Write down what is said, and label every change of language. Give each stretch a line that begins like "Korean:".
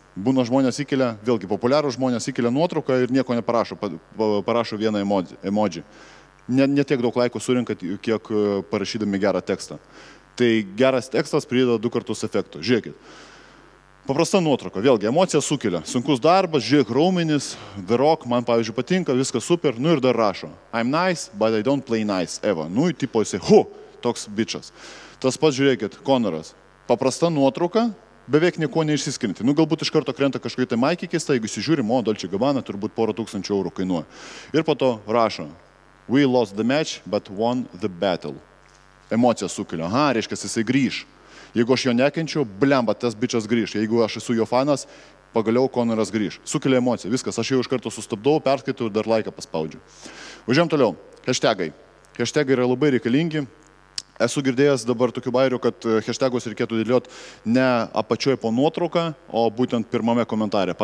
Lithuanian: Būna žmonės įkelia, vėlgi populiarų žmonės įkelia nuotrauką ir nieko neparašo, parašo vieną emoji. Ne tiek daug laiko surinkat, kiek parašydami gerą tekstą. Tai geras tekstas prideda 2 kartus efekto. Žiūrėkit. Paprasta nuotrauka, vėlgi, emocija sukelia. Sunkus darbas, žiūrėk, raumenis, The Rock, man, pavyzdžiui, patinka, viskas super, nu ir dar rašo.
English: I'm nice, but I don't play nice, ever.
Lithuanian: Nu, tipo, jisai, hu, toks bičas. Tas pats, žiūrėkit, Conoras. Paprasta nuotrauka, beveik nieko neišsiskirinti. Nu, galbūt iš karto krenta kažkai tai maikį keista, jeigu įsižiūri, mo, Dolce Gabbana, turbūt 1000 eurų kainuoja. Ir po to rašo,
English: we lost the match, but won the battle.
Lithuanian: Emocija sukelia, aha, reiškia, jisai grįž. Jeigu aš jo nekenčiu, blemba, tas bičas grįž. Jeigu aš esu jo fanas, pagaliau Conoras grįž. Sukelia emociją, viskas. Aš jau iš karto sustabdau, perskaitau ir dar laiką paspaudžiu. Važiuojam toliau. Hashtagai. Hashtagai yra labai reikalingi. Esu girdėjęs dabar tokių bairių, kad hashtagus reikėtų dėlioti ne apačioje po nuotrauką, o būtent pirmame komentare.